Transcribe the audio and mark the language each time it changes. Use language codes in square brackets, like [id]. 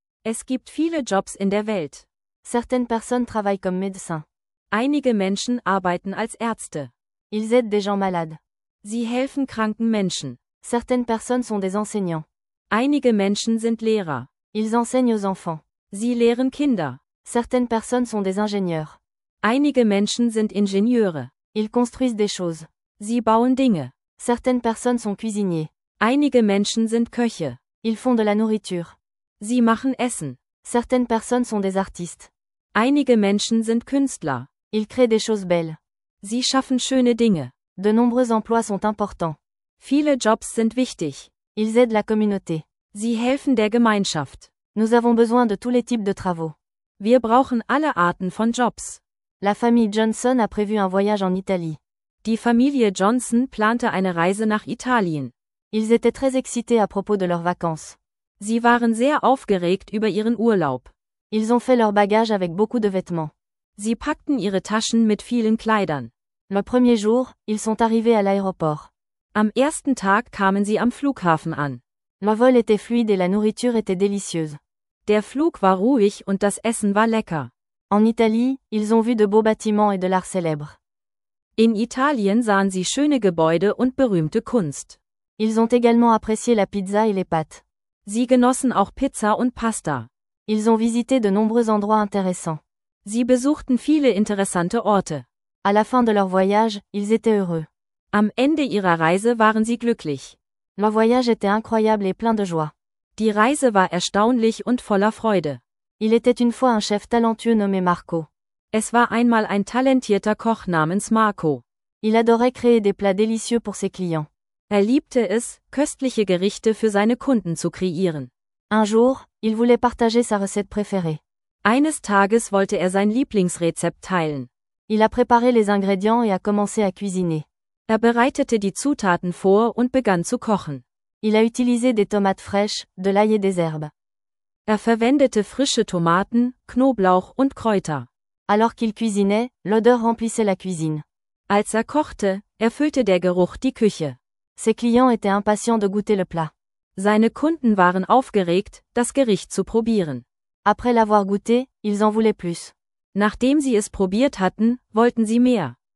[de] Es gibt viele Jobs in der Welt. [fr] Certaines personnes travaillent comme médecins. [de] Einige Menschen arbeiten als Ärzte. [fr] Ils aident des gens malades. [de] Sie helfen kranken Menschen. [fr] Certaines personnes sont des enseignants. [de] Einige Menschen sind Lehrer. [fr] Ils enseignent aux enfants. [de] Sie lehren Kinder. [fr] Certaines personnes sont des ingénieurs. [de] Einige Menschen sind Ingenieure. [fr] Ils construisent des choses. [de] Sie bauen Dinge. [fr] Certaines personnes sont cuisiniers. [de] Einige Menschen sind Köche. [fr] Ils font de la nourriture. [de] Sie machen Essen. [fr] Certaines personnes sont des artistes. [de] Einige Menschen sind Künstler. [fr] Ils créent des choses belles. [de] Sie schaffen schöne Dinge. [fr] De nombreux emplois sont importants. [de] Viele Jobs sind wichtig. [fr] Ils aident la communauté. [de] Sie helfen der Gemeinschaft. [fr] Nous avons besoin de tous les types de travaux. [de] Wir brauchen alle Arten von Jobs. [fr] La famille Johnson a prévu un voyage en Italie. [de] Die Familie Johnson plante eine Reise nach Italien. [fr] Ils étaient très excités à propos de leurs vacances. [de] Sie waren sehr aufgeregt über ihren Urlaub. [fr] Ils ont fait leur bagage avec beaucoup de vêtements. [de] Sie packten ihre Taschen mit vielen Kleidern. [fr] Le premier jour, ils sont arrivés à l'aéroport. [de] Am ersten Tag kamen sie am Flughafen an. [fr] Le vol était fluide et la nourriture était délicieuse. [de] Der Flug war ruhig und das Essen war lecker. [fr] En Italie, ils ont vu de beaux bâtiments et de l'art célèbre. [de] In Italien sahen sie schöne Gebäude und berühmte Kunst. [fr] Ils ont également apprécié la pizza et les pâtes. [de] Sie genossen auch Pizza und Pasta. [fr] Ils ont visité de nombreux endroits intéressants. [de] Sie besuchten viele interessante Orte. [fr] À la fin de leur voyage, ils étaient heureux. [de] Am Ende ihrer Reise waren sie glücklich. [fr] Leur voyage était incroyable et plein de joie. [de] Die Reise war erstaunlich und voller Freude. [fr] Il était une fois un chef talentueux nommé Marco. [de] Es war einmal ein talentierter Koch namens Marco. [fr] Il adorait créer des plats délicieux pour ses clients. [de] Er liebte es, köstliche Gerichte für seine Kunden zu kreieren. [fr] Un jour, il voulait partager sa recette préférée. [de] Eines Tages wollte er sein Lieblingsrezept teilen. [fr] Il a préparé les ingrédients et a commencé à cuisiner. [de] Er bereitete die Zutaten vor und begann zu kochen. [fr] Il a utilisé des tomates fraîches, de l'ail et des herbes. [de] Er verwendete frische Tomaten, Knoblauch und Kräuter. [fr] Alors qu'il cuisinait, l'odeur remplissait la cuisine. [de] Als er kochte, erfüllte der Geruch die Küche. [fr] Ses clients étaient impatients de goûter le plat. [de] Seine Kunden waren aufgeregt, das Gericht zu probieren. [fr] Après l'avoir goûté, ils en voulaient plus. [de] Nachdem sie es probiert hatten, wollten sie mehr.